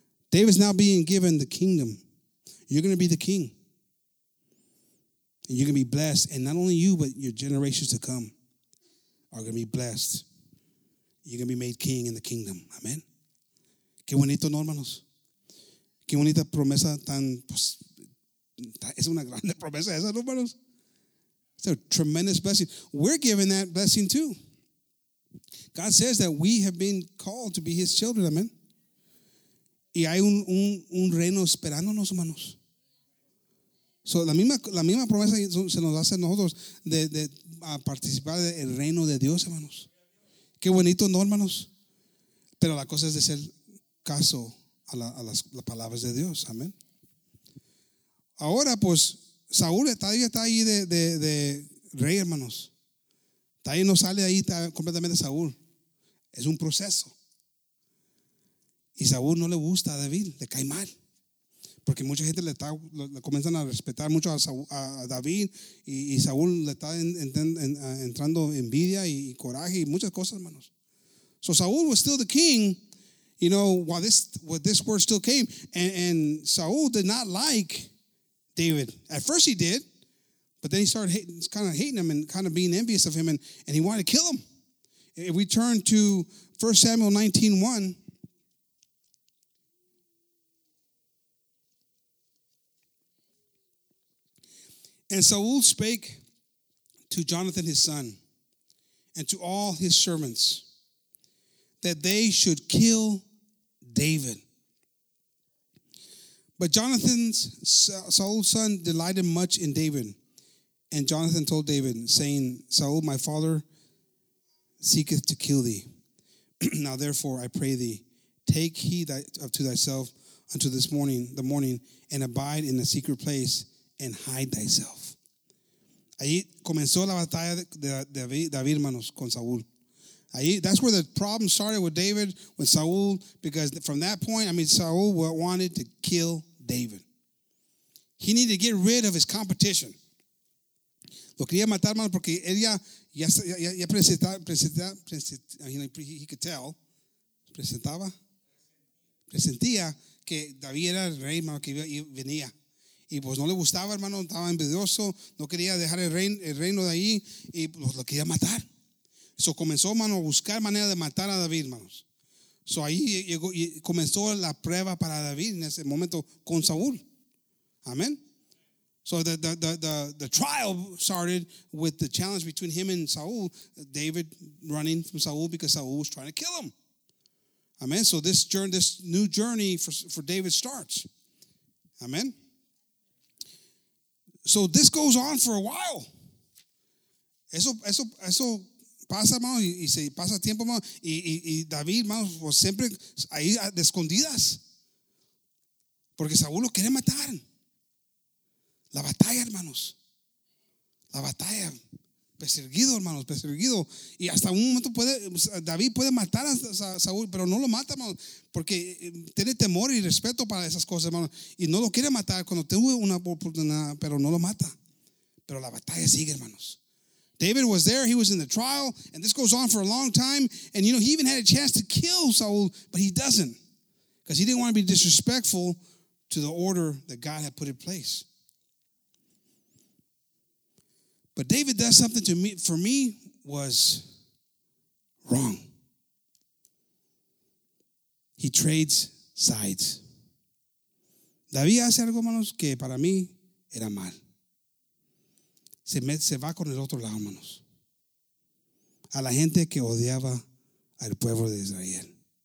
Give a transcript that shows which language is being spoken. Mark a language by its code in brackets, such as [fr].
[en] David's now being given the kingdom. You're going to be the king. And you're going to be blessed. And not only you, but your generations to come are going to be blessed. You're going to be made king in the kingdom. [es] Amen. Qué bonito, ¿no, hermanos? Qué bonita promesa tan... Pues, es una grande promesa esa, ¿no, hermanos? [en] It's a tremendous blessing. We're given that blessing too. God says that we have been called to be his children. [es] Amen. Y hay un reino esperándonos, hermanos. So la misma promesa se nos hace a nosotros de a participar del reino de Dios, hermanos. Qué bonito, ¿no, hermanos? Pero la cosa es de ser caso a las palabras de Dios. Amén. Ahora, pues, Saúl todavía está ahí de rey, hermanos. Todavía no sale de ahí completamente Saúl. Es un proceso. Y Saúl no le gusta a David, le cae mal. Porque mucha gente le comienzan a respetar mucho a David y Saúl le está entrando envidia y coraje y muchas cosas, hermanos. [en] So Saúl was still the king, you know, while this word still came. And Saúl did not like David. At first he did, but then he started kind of hating him and kind of being envious of him and he wanted to kill him. If we turn to 1 Samuel 19:1, and Saul spake to Jonathan his son and to all his servants that they should kill David. But Jonathan's, Saul's son, delighted much in David. And Jonathan told David, saying, Saul, my father seeketh to kill thee. Now therefore, I pray thee, take heed to thyself unto this morning, the morning, and abide in a secret place and hide thyself. [es] Ahí comenzó la batalla de David, hermanos, con Saúl. [en] Ahí, that's where the problem started with David, with Saúl, because from that point, I mean, Saúl wanted to kill David. He needed to get rid of his competition. [es] Lo quería matar, hermano, porque él ya presentía que David era el rey, hermano, que venía. Y pues no le gustaba, hermano, estaba envidioso, no quería dejar el reino de ahí y pues lo quería matar. So comenzó, hermano, a buscar manera de matar a David, hermanos. So ahí llegó y comenzó la prueba para David en ese momento con Saúl. Amén. [en] So the trial started with the challenge between him and Saúl, David running from Saúl because Saúl was trying to kill him. Amén. So this new journey for David starts. Amén. So this goes on for a while. [es] Eso pasa, hermano, y se pasa tiempo, hermano. Y David, hermano, pues siempre ahí de escondidas. Porque Saúl lo quiere matar. La batalla, hermanos. La batalla. Perseguido, hermanos, perseguido. Y hasta un momento David puede matar a Saúl, pero no lo mata, hermano, porque tiene temor y respeto para esas cosas, hermano. Y no lo quiere matar cuando tuvo una oportunidad, pero no lo mata. Pero la batalla sigue, hermanos. [en] David was there, he was in the trial, and this goes on for a long time. And, you know, he even had a chance to kill Saúl, but he doesn't. Because he didn't want to be disrespectful to the order that God had put in place. But David does something to me, for me, was wrong. He trades sides. [es] David hace algo, hermanos, que para mí era mal. Se va con el otro lado, hermanos. A la gente que odiaba al pueblo de Israel.